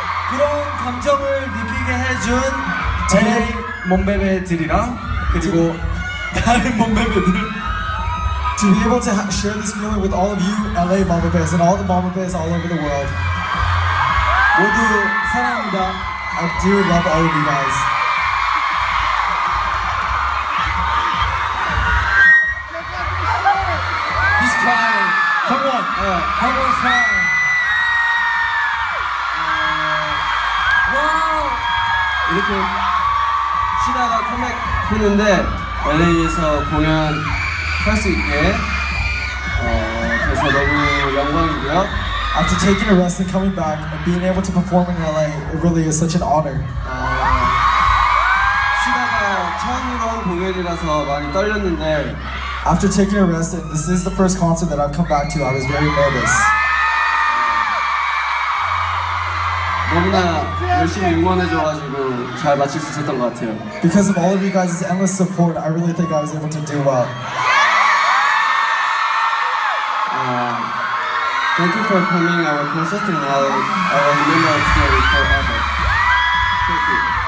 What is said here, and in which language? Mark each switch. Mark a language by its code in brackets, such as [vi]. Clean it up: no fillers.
[ko] 그런 감정을 느끼게 해준 제 몬베베들이랑 그리고 다른 몬베베들 [en] To be able to share this feeling with all of you LA Mama Bears and all the Mama Bears all over the world. [ko] 모두 사랑합니다. [en] I do love all of you guys. [ko] 이렇게 쉬다가 컴백 했는데 LA에서 공연 할 수 있게 그래서 너무 영광이고요. [en] After taking a rest and coming back and being able to perform in LA, it really is such an honor. [ko] 쉬다가 처음으로 한 공연이라서 많이 떨렸는데 [en] After taking a rest, and this is the first concert that I've come back to. I was very nervous. [ko] 너무나 열심히 응원해줘가지고 잘 마칠 수 있었던 것 같아요. [en] Because of all of you guys' endless support, I really think I was able to do well. Thank you for coming to our concert, and I'll remember our story forever. Thank you.